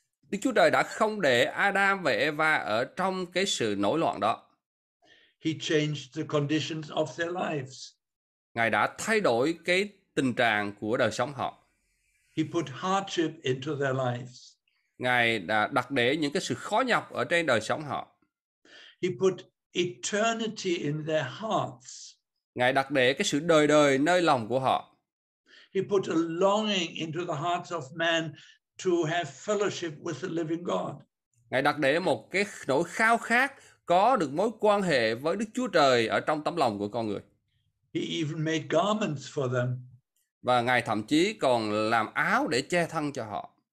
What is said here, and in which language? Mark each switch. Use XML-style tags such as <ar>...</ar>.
<vi>Đức Chúa Trời đã không để Adam và Eva ở trong cái sự nổi loạn đó.</vi> <en>He changed the conditions of their lives.</en> <vi>Ngài đã thay đổi cái tình trạng của đời sống họ.</vi> <en>He put hardship into their lives.</en> <vi>Ngài đã đặt để những cái sự khó nhọc ở trên đời sống họ.</vi> <en>He put eternity in their hearts.</en> <vi>Ngài đặt để cái sự đời đời nơi lòng của họ.</vi> <en>He put a longing into the hearts of man to have fellowship with the living God.</en> <vi>Ngài đặt để một cái nỗi khao khát có được mối quan hệ với Đức Chúa Trời ở trong tấm lòng của con người.</vi> <en>He even made garments for them.</en> <vi>Và Ngài thậm chí còn làm áo để che thân cho họ.</vi>